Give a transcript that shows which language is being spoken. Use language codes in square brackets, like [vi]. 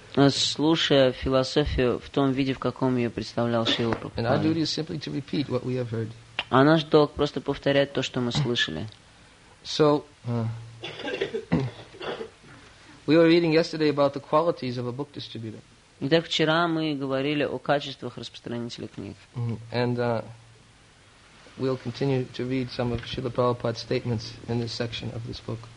[ru] Слушая философию в том виде, в каком ее представлял Шрила Прабхупада. [en] And our duty is simply to repeat what we have heard. [ru] А наш долг просто повторять то, что мы слышали. [en] So we were reading yesterday about the qualities of a book distributor. [ru] Итак, вчера мы говорили о качествах распространителя книг. [en] And we'll continue to read some of Srila Prabhupada's statements in this section of this book.